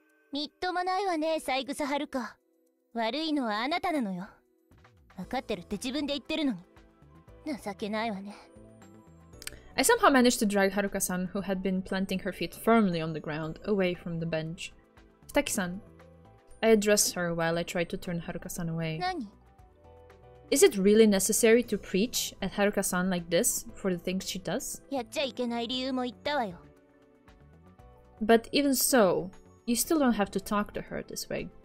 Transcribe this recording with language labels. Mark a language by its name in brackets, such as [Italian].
[Japanese] みっともないわね、サイグサ・ハルカ。悪いのはあなたなのよ。分かってるって自分で言ってるのに情けないわね。 [English] I somehow managed to drag Haruka-san, who had been planting her feet firmly on the ground, away from the bench. Futaki-san, I addressed her while I tried to turn Haruka-san away. [Japanese] 何? [English] Is it really necessary to preach at Haruka-san like this for the things she does? [Japanese] やっちゃいけない理由も言ったわよ。 [English] But even so, you still don't have to talk to her this way.